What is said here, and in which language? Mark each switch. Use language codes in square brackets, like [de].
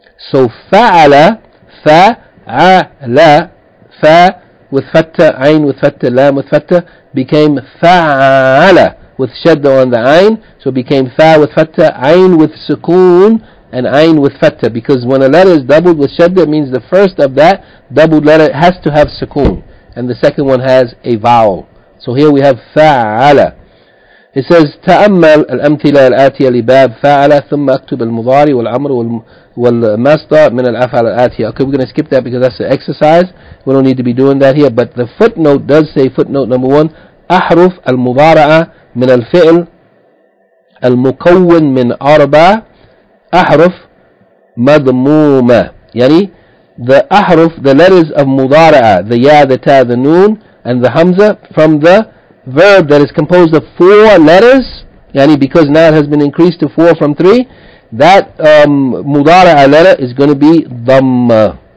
[en] So fa'ala, fa'ala, fa with fatta, ayn with fatta, lam with fatta, became fa'ala with shadda on the ayn. So became fa with fatta, ayn with sukoon, and ayn with fatta. Because when a letter is doubled with shadda, it means the first of that doubled letter has to have sukoon, and the second one has a vowel. So here we have fa'ala. [ar] It says تأمل الأمثلة الآتية لباب فعل ثم أكتب المضارع والأمر والمصدر من الأفعال الآتية. [en] Okay, we're going to skip that because that's an exercise. We don't need to be doing that here. [ar] But the footnote does say, footnote number 1, أحرف المضارعة من الفعل المكون من أربع أحرف مضمومة. [en] يعني the أحرف, the letters of مضارعة, the يا, the تا, the نون, and the همزة, from the verb that is composed of four letters, yani because now it has been increased to four from three, that mudara'a letter is going to be dhamma.